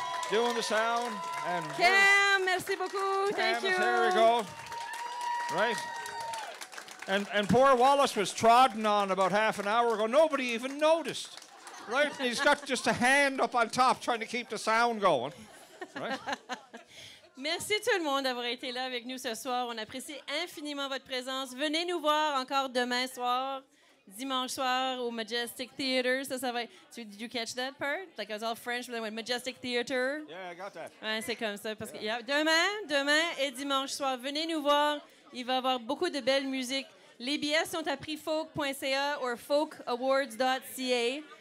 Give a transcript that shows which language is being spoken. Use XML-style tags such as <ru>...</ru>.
<en>Doing the sound. And</en> <fr>Cam, merci beaucoup.</fr> <en>Cam, thank you. There we go. Right? And poor Wallace was trodden on about half an hour ago. Nobody even noticed. Right? And he's got just a hand up on top trying to keep the sound going. Right?</en> <fr>Merci tout le monde d'avoir été là avec nous ce soir. On apprécie infiniment votre présence. Venez nous voir encore demain soir, dimanche soir, au Majestic Theater. Ça va être...</fr> <en>Did you catch that part? Like, I was all French, but then went Majestic Theater. Yeah, I got that.</en> <fr>Ouais, c'est comme ça. Parce que, yeah, demain et dimanche soir, venez nous voir. Il va y avoir beaucoup de belles musiques. Les billets sont à prixfolk.ca or folkawards.ca.</fr>